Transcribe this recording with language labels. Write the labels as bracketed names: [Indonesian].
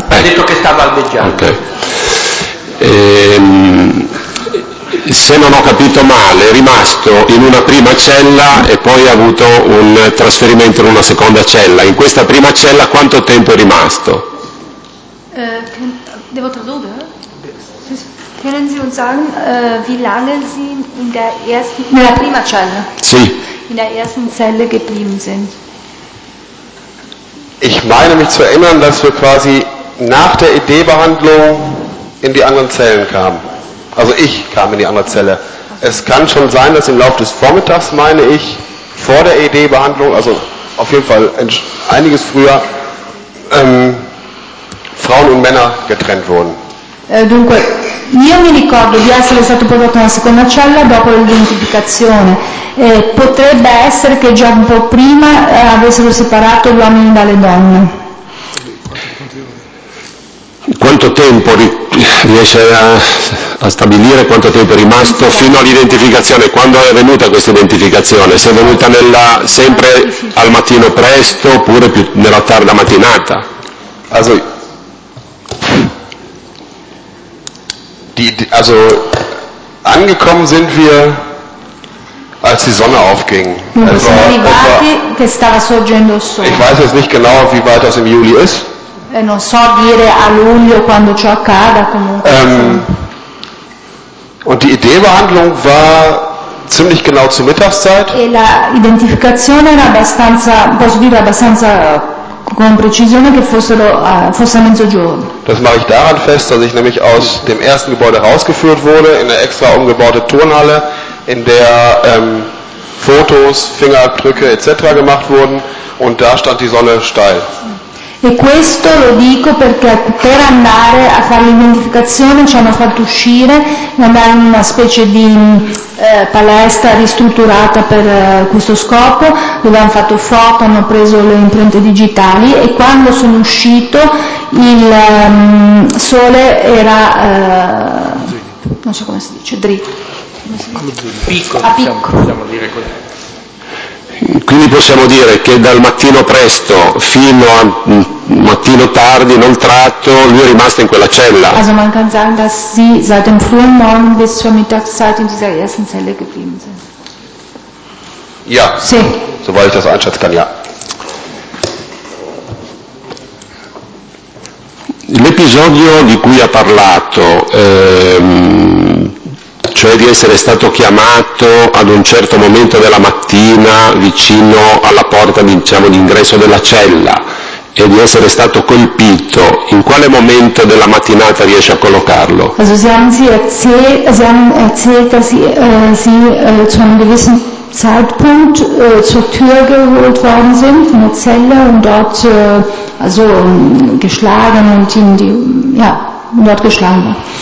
[Italian] Ha detto che stava albeggiando. Ok. Se non ho capito male, è rimasto in una prima cella e poi ha avuto un trasferimento in una seconda cella. In questa prima cella quanto tempo è rimasto? Devo tradurre? [German] Können Sie uns sagen, wie lange Sie in der ersten, in der [Italian] prima cella, sì, [German] in der ersten Zelle geblieben sind? Ich meine mich zu erinnern, dass wir quasi nach der ED-Behandlung in die anderen Zellen kamen. Also ich kam in die andere Zelle. Es kann schon sein, dass im Laufe des Vormittags, meine ich, vor der ED-Behandlung, also auf jeden Fall einiges früher, Frauen und Männer getrennt wurden. [Italian] Dunque, io mi ricordo di essere stato portato nella seconda cella dopo l'identificazione. Potrebbe essere che già un po' prima avessero separato gli uomini dalle donne. Quanto tempo riesce a stabilire quanto tempo è rimasto fino all'identificazione? Quando è venuta questa identificazione? Se è venuta sempre al mattino presto oppure più nella tarda mattinata? [German] Also angekommen sind wir, als die Sonne aufging. Ich weiß jetzt nicht genau, wie weit das im Juli ist. [Italian] Non so dire a luglio quando ciò accada comunque. [German] Und die ED-Behandlung war ziemlich genau zur Mittagszeit. [Italian] E la identificazione era abbastanza, posso dire abbastanza con precisione che fosse a mezzogiorno. [German] Das mache ich daran fest, dass ich nämlich aus dem ersten Gebäude rausgeführt wurde in eine extra umgebaute Turnhalle, in der Fotos, Fingerabdrücke etc. gemacht wurden und da stand die Sonne steil. [Italian] E questo lo dico perché per andare a fare l'identificazione ci hanno fatto uscire, andare in una specie di palestra ristrutturata per questo scopo, dove hanno fatto foto, hanno preso le impronte digitali e quando sono uscito il sole era, non so come si dice, dritto. A picco. Possiamo dire così. Quindi possiamo dire che dal mattino presto fino a mattino tardi, non tratto, lui è rimasto in quella cella. [German] Also man kann sagen, dass sie seit dem frühen Morgen bis zur Mittagszeit in dieser ersten Zelle geblieben sind. Ja. [Italian] Sì. [German] Soweit ich das einschätzen kann, ja. [Italian] L'episodio di cui ha parlato, cioè di essere stato chiamato ad un certo momento della mattina vicino alla porta, diciamo, d'ingresso della cella e di essere stato colpito, in quale momento della mattinata riesce a collocarlo? [German] Also sie haben erzählt, dass sie zu einem gewissen Zeitpunkt zur Tür geholt worden sind von der Zelle und dort also geschlagen und in die ja dort geschlagen war.